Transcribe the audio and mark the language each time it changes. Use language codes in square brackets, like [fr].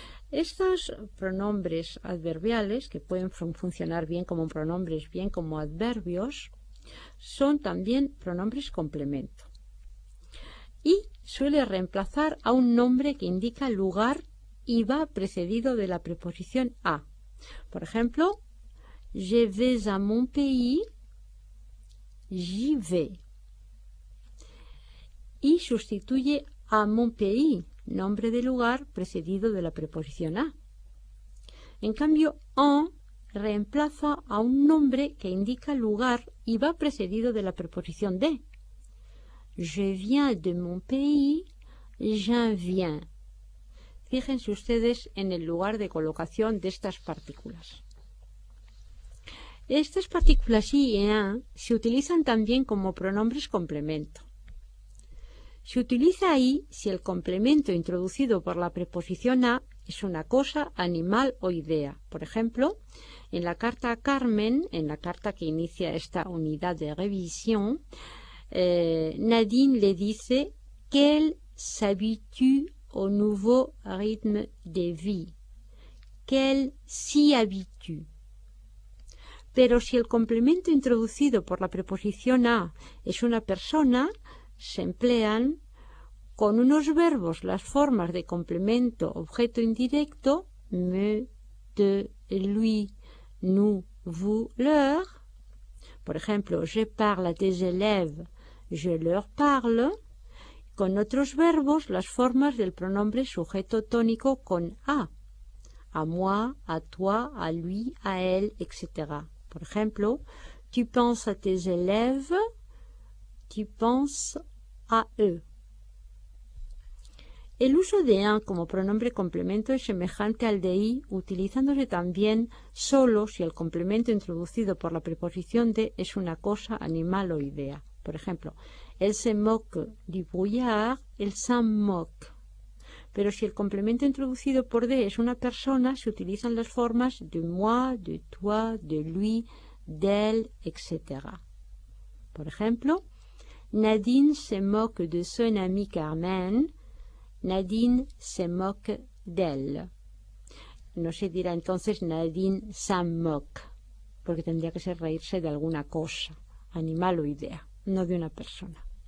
[es] Estos pronombres adverbiales, que pueden funcionar bien como pronombres, bien como adverbios, son también pronombres complemento. Y suele reemplazar a un nombre que indica lugar y va precedido de la preposición a. Por ejemplo, [fr] je vais à mon pays, j'y vais. [es] Y sustituye a [fr] mon pays, [es] nombre de lugar precedido de la preposición a. En cambio, en reemplaza a un nombre que indica lugar y va precedido de la preposición de. [fr] Je viens de mon pays, j'en viens. [es] Fíjense ustedes en el lugar de colocación de estas partículas. Estas partículas i y en se utilizan también como pronombres complemento. Se utiliza ahí si el complemento introducido por la preposición a es una cosa, animal o idea. Por ejemplo, en la carta a Carmen, en la carta que inicia esta unidad de revisión, Nadine le dice: [fr] «Qu'elle s'habitue au nouveau rythme de vie. Qu'elle s'y habitue». [es] Pero si el complemento introducido por la preposición a es una persona, se emplean con unos verbos las formas de complemento objeto indirecto [fr] me, te, lui, nous, vous, leur. [es] Por ejemplo, [fr] je parle à tes élèves, je leur parle. [es] Con otros verbos las formas del pronombre sujeto tónico con [fr] a moi, a toi, a lui, a elle, [es] etc. Por ejemplo, [fr] tu penses à tes élèves, tu penses à eux. [es] El uso de un como pronombre complemento es semejante al de i, utilizándose también solo si el complemento introducido por la preposición de es una cosa, animal o idea. Por ejemplo, [fr] elle se moque du brouillard, elle s'en moque. [es] Pero si el complemento introducido por de es una persona, se utilizan las formas [fr] de moi, de toi, de lui, d'elle, [es] etc. Por ejemplo, [fr] Nadine se moque de son ami Carmen. Nadine se moque d'elle. [es] No se dirá entonces [fr] Nadine s'en moque, [es] porque tendría que ser reírse de alguna cosa, animal o idea, no de una persona.